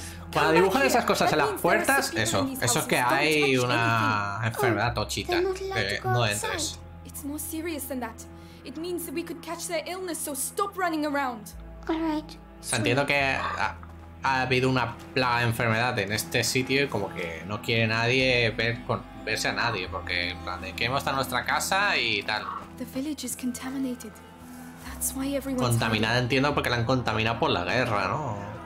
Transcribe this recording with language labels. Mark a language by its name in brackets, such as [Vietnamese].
[Spanish] Cuando dibujan esas cosas en las puertas, eso es que hay una enfermedad tochita. No entres. [English] It's more serious than that. It means that we could catch their illness, so stop running around. [Spanish] Entiendo que ha habido una plaga de enfermedad en este sitio y como que no quiere nadie verse a nadie, porque en plan de que hemos estado en nuestra casa y tal. [English] The village is contaminated. That's why everyone's [Spanish] contaminada, [English] hiding. [Spanish] Entiendo, porque la han contaminado por la guerra, ¿no?